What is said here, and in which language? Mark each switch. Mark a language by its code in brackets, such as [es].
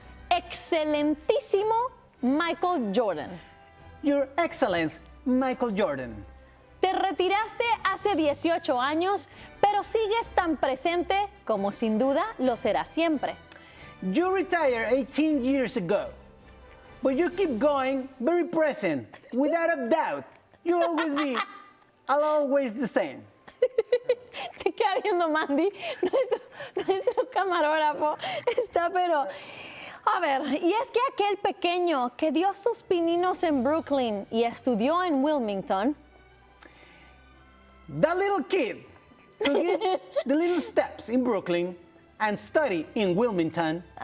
[es] Excelentísimo Michael Jordan. [en] Your Excellence, Michael Jordan. [es] Te retiraste hace 18 años, pero sigues tan presente como sin duda lo será siempre. [en] You retired 18 years ago, but you keep going very present. Without a doubt, you'll always be, I'll always the same. [es] Te queda viendo Mandy, nuestro camarógrafo está pero... A ver, y es que aquel pequeño que dio sus pininos en Brooklyn y estudió en Wilmington. [en] That little kid who did the little steps in Brooklyn and study in Wilmington.